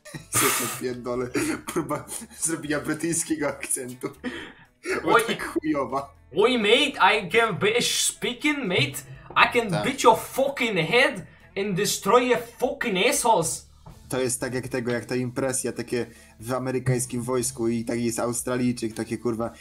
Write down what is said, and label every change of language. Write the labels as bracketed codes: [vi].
[pl] Co to pierdolę, próba zrobienia brytyjskiego akcentu. Oj, tak chujowa. [en] Oj mate, I can British speaking mate. I can beat your fucking head and destroy your fucking assholes. [pl] To jest tak jak tego, jak ta impresja, takie w amerykańskim wojsku i taki jest Australijczyk, takie kurwa.